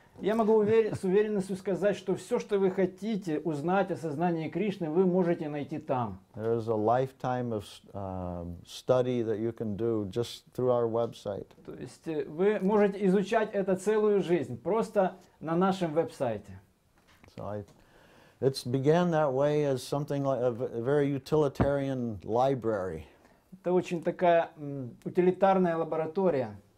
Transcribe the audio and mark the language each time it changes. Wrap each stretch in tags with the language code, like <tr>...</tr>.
<ru>Я могу с уверенностью сказать, что все, что вы хотите узнать о сознании Кришны, вы можете найти там.</ru> <en>There is a lifetime of study that you can do just through our website.</en> <ru>То есть вы можете изучать это целую жизнь просто на нашем веб-сайте.</ru> <en>So it began that way as something like a very utilitarian library.</en> <ru>Это очень такая утилитарная лаборатория.</ru>